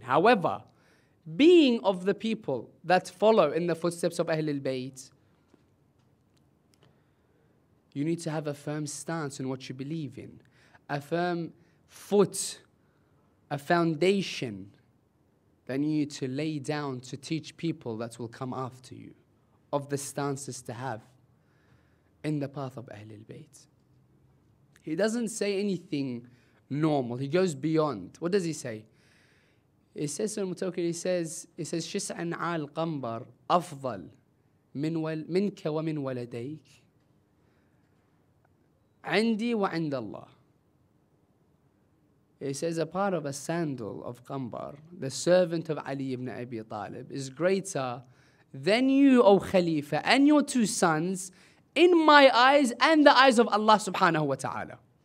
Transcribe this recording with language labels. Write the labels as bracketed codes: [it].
[en] However, being of the people that follow in the footsteps of Ahlul Bayt, you need to have a firm stance in what you believe in, a firm foot, a foundation that you need to lay down to teach people that will come after you of the stances to have in the path of Ahlul Bayt. He doesn't say anything normal. He goes beyond. What does he say? He says, [ar] شِسْعًا عَى الْقَنْبَرِ أَفْضَلْ مِنْكَ وَمِنْ وَلَدَيْكَ عندي وعند الله. [en] He says a part of a sandal of Qambar, the servant of Ali ibn Abi Talib, is greater than you, O Khalifa, and your two sons in my eyes and the eyes of Allah subhanahu wa ta'ala.